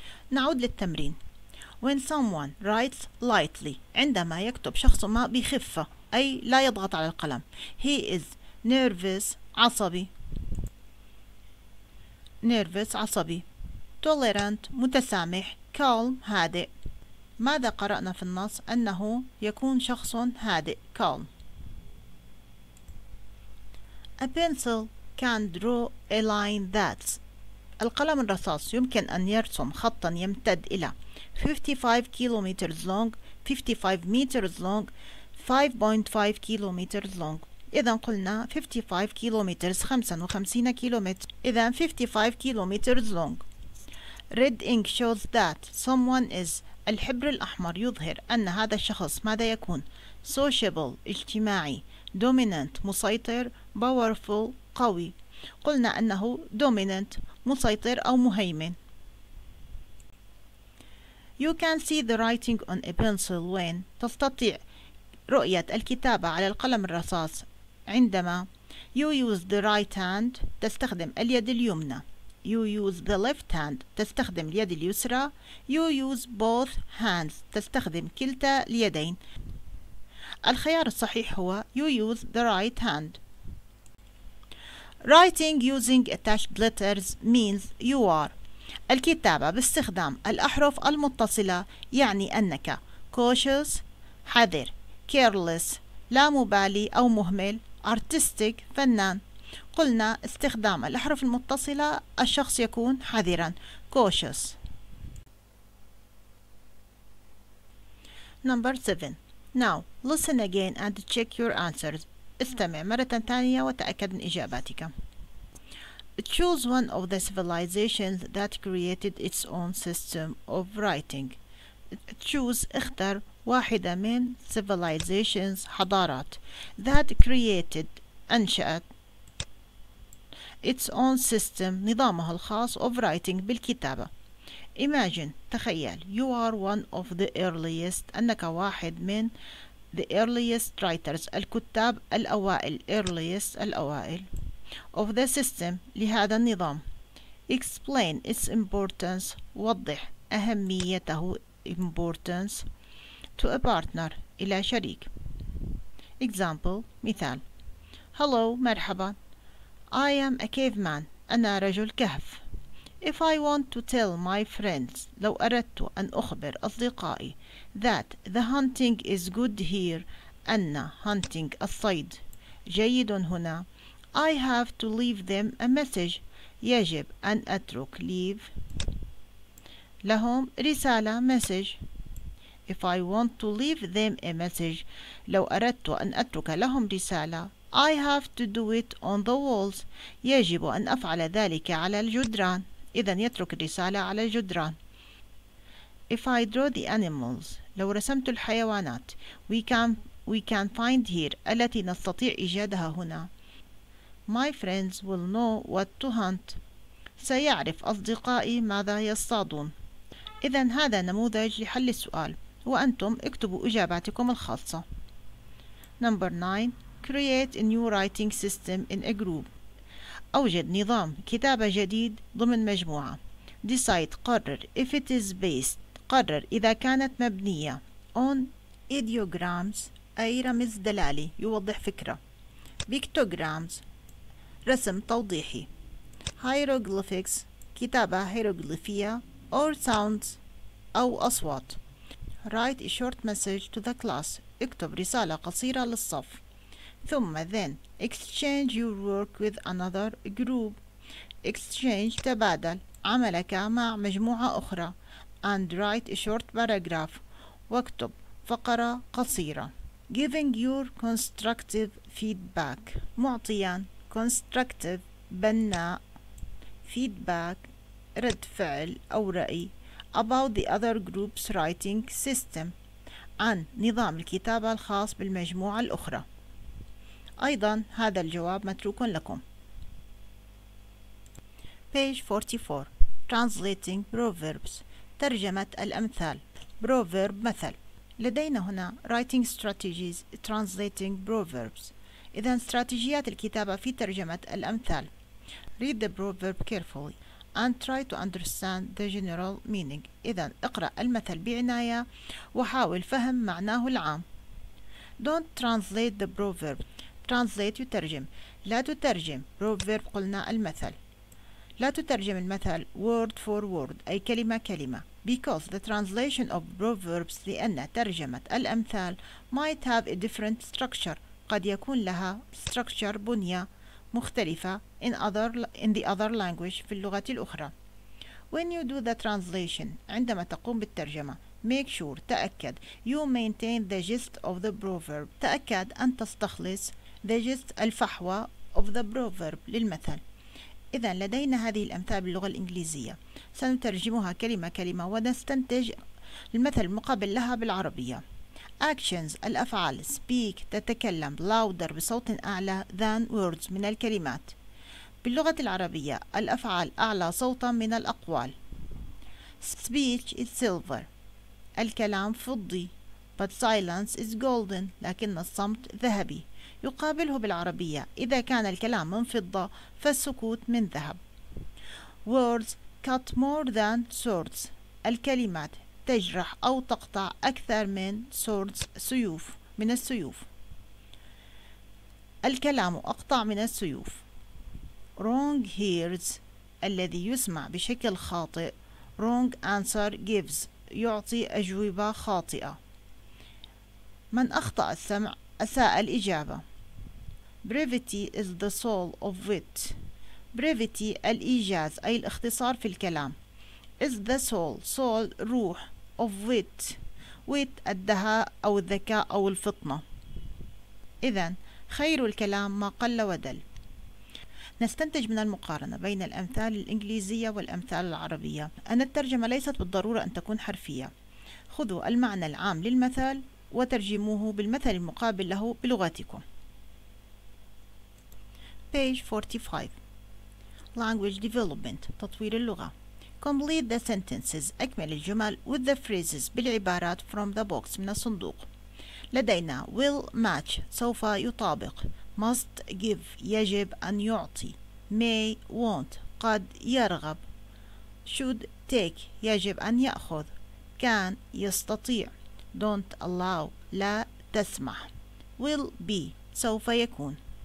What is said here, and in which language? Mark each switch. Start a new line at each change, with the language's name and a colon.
Arabic: نعود للتمرين.
English: When someone writes lightly,
Arabic: عندما يكتب شخص ما بخفة أي لا يضغط على القلم,
English: he is nervous
Arabic: عصبي, tolerant متسامح, calm هادئ. ماذا قرأنا في النص؟ أنه يكون شخص هادئ calm.
English: A pencil can draw a line that's,
Arabic: القلم الرصاص يمكن أن يرسم خطا يمتد إلى 55
English: kilometers long, 55 meters long, 5.5 kilometers long.
Arabic: إذن قلنا 55 kilometers 55 كيلومتر, إذن
English: 55 kilometers long. Red ink shows that someone is,
Arabic: الحبر الأحمر يظهر أن هذا الشخص ماذا يكون؟ sociable اجتماعي, dominant مسيطر, powerful قوي. قلنا أنه dominant مسيطر أو مهيمن.
English: You can see the writing on a pencil when,
Arabic: تستطيع رؤية الكتابة على القلم الرصاص عندما,
English: you use the right hand,
Arabic: تستخدم اليد اليمنى,
English: you use the left hand,
Arabic: تستخدم اليد اليسرى,
English: you use both hands,
Arabic: تستخدم كلتا اليدين. الخيار الصحيح هو
English: you use the right hand. Writing using attached letters means you are,
Arabic: الكتابة باستخدام الأحرف المتصلة يعني أنك cautious حذر, careless لا مبالي أو مهمل, artistic فنان. قلنا استخدام الأحرف المتصلة الشخص يكون حذرا cautious.
English: Number 7. Now listen again and check your answers.
Arabic: استمع مرة ثانية وتأكد من إجاباتك.
English: Choose one of the civilizations that created its own system of writing. Choose,
Arabic: اختر واحدة من
English: civilizations حضارات, that created, أنشأت, its own system نظامها الخاص of writing بالكتابة. Imagine, تخيل, you are one of the earliest,
Arabic: أنك واحد من
English: the earliest writers, الكتاب الأوائل, earliest الأوائل, of the system لهذا النظام. Explain its importance,
Arabic: وضح أهميته,
English: importance to a partner, إلى شريك. Example, مثال. Hello, مرحبا. I am a caveman,
Arabic: أنا رجل كهف.
English: If I want to tell my friends,
Arabic: لو أردت أن أخبر أصدقائي,
English: that the hunting is good here, أن hunting الصيد جيد هنا, I have to leave them a message,
Arabic: يجب أن أترك
English: leave لهم رسالة message. If I want to leave them a message,
Arabic: لو أردت أن أترك لهم رسالة,
English: I have to do it on the walls,
Arabic: يجب أن أفعل ذلك على الجدران, إذن يترك الرسالة على الجدران.
English: If I draw the animals,
Arabic: لو رسمت الحيوانات,
English: we can find here,
Arabic: التي نستطيع إيجادها هنا,
English: my friends will know what to hunt,
Arabic: سيعرف أصدقائي ماذا يصطادون. إذن هذا نموذج لحل السؤال, وأنتم اكتبوا إجاباتكم الخاصة.
English: Number 9. Create a new writing system in a group.
Arabic: أوجد نظام كتابة جديد ضمن مجموعة.
English: Decide, قرر. If it is based,
Arabic: قرر إذا كانت مبنية.
English: On ideograms,
Arabic: أي رمز دلالي يوضح فكرة. Pictograms, رسم توضيحي. Hieroglyphics, كتابة هيروغليفية.
English: Or sounds, أو أصوات. Write a short message to the class,
Arabic: اكتب رسالة قصيرة للصف. ثم
English: then exchange your work with another group,
Arabic: exchange تبادل عملك مع مجموعة أخرى.
English: And write a short paragraph,
Arabic: واكتب فقرة قصيرة.
English: Giving your constructive feedback, معطيا constructive بناء, feedback
Arabic: رد فعل أو رأي
English: about the other group's writing system
Arabic: عن نظام الكتابة الخاص بالمجموعة الأخرى. أيضا هذا الجواب متروك لكم.
English: Page 44 Translating Proverbs
Arabic: ترجمة الأمثال.
English: Proverb مثل. لدينا هنا Writing Strategies Translating Proverbs.
Arabic: إذن استراتيجيات الكتابة في ترجمة الأمثال.
English: Read the proverb carefully and try to understand the general meaning.
Arabic: إذن اقرأ المثل بعناية وحاول فهم معناه العام.
English: Don't translate the proverb. Translate يترجم. لا تترجم.
Arabic: Proverb قلنا المثل. لا تترجم المثل
English: word for word
Arabic: أي كلمة كلمة.
English: Because the translation of proverbs
Arabic: لأن ترجمة الأمثال
English: might have a different structure.
Arabic: قد يكون لها structure بنية مختلفة
English: in the other language
Arabic: في اللغة الأخرى.
English: When you do the translation
Arabic: عندما تقوم بالترجمة
English: make sure تأكد you maintain the gist of the proverb
Arabic: تأكد أن تستخلص
English: the gist الفحوى of the proverb للمثل.
Arabic: إذا لدينا هذه الأمثال باللغة الإنجليزية سنترجمها كلمة كلمة ونستنتج المثل المقابل لها بالعربية.
English: Actions
Arabic: الأفعال
English: speak تتكلم louder
Arabic: بصوت أعلى
English: than words
Arabic: من الكلمات. باللغة العربية الأفعال أعلى صوتا من الأقوال.
English: Speech is silver
Arabic: الكلام فضي
English: but silence is golden
Arabic: لكن الصمت ذهبي. يقابله بالعربية إذا كان الكلام من فضة فالسكوت من ذهب.
English: Words cut more than swords
Arabic: الكلمات تجرح أو تقطع أكثر من swords سيوف من السيوف. الكلام أقطع من السيوف.
English: Wrong hears
Arabic: الذي يسمع بشكل خاطئ.
English: Wrong answer gives
Arabic: يعطي أجوبة خاطئة. من أخطأ السمع أساء الإجابة.
English: Brevity is the soul of wit.
Arabic: Brevity الإيجاز أي الاختصار في الكلام.
English: Is the soul, soul روح of wit.
Arabic: Wit الدهاء أو الذكاء أو الفطنة. إذن خير الكلام ما قل ودل. نستنتج من المقارنة بين الأمثال الإنجليزية والأمثال العربية أن الترجمة ليست بالضرورة أن تكون حرفية. خذوا المعنى العام للمثال وترجموه بالمثل المقابل له بلغتكم.
English: Page 45 Language Development
Arabic: تطوير اللغة.
English: Complete the sentences
Arabic: أكمل الجمل
English: with the phrases بالعبارات from the box
Arabic: من الصندوق. لدينا
English: will match
Arabic: سوف يطابق
English: must give
Arabic: يجب أن يعطي may won't قد يرغب
English: should take
Arabic: يجب أن يأخذ can يستطيع
English: don't allow
Arabic: لا تسمح
English: will be
Arabic: سوف يكون.